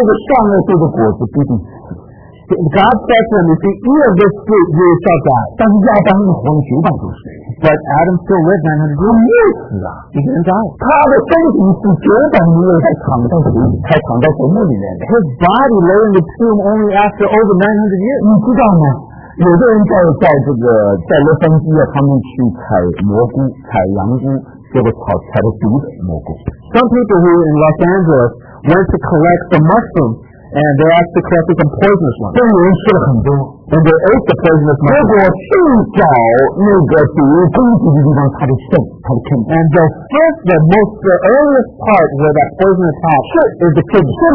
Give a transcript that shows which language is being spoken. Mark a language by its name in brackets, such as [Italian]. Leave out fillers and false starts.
[English] God said to him, if you eat of this fruit, you shall die. But Adam still lived 900 years. He didn't die. His body lay in the tomb only after over 900 years. You know that? [Chinese] 有的人在洛杉矶啊，他们去采蘑菇，采羊菇，结果草采了毒的蘑菇。 [English] Some people who in Los Angeles went to collect the mushrooms. And they actually collected some poisonous ones. And they ate the poisonous ones. And the first, the most, the earliest part where that poison attacked is the kidney.